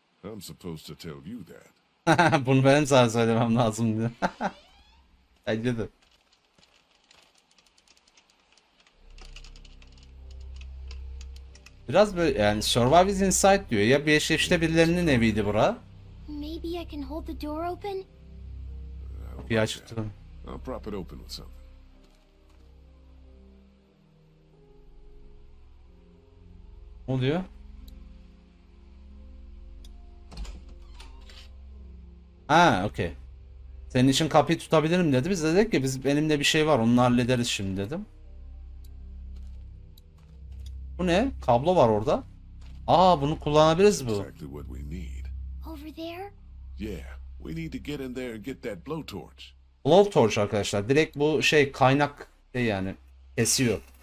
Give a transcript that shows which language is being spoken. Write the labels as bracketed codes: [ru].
[en] I'm supposed to tell you that. [tr] Bunu benim sana söylemem lazımdı. Hadi. Biraz böyle yani [en] Survive is inside [tr] diyor. Ya bir eşi işte birilerinin eviydi bura. [en] Maybe I can hold the door open. [tr] Kapıyı açtım. [en] I'll prop it open with something. [tr] Ne oluyor? Ha, okey. Senin için kapıyı tutabilirim dedi. Biz dedik ki biz benimle bir şey var. Onu hallederiz şimdi dedim. Bu ne? Kablo var orada. Aa, bunu kullanabiliriz bu. [en] Over there? Yeah, we need to get in there and get that blowtorch. [tr] Blowtorch arkadaşlar, direkt bu şey kaynak şey yani kesiyor.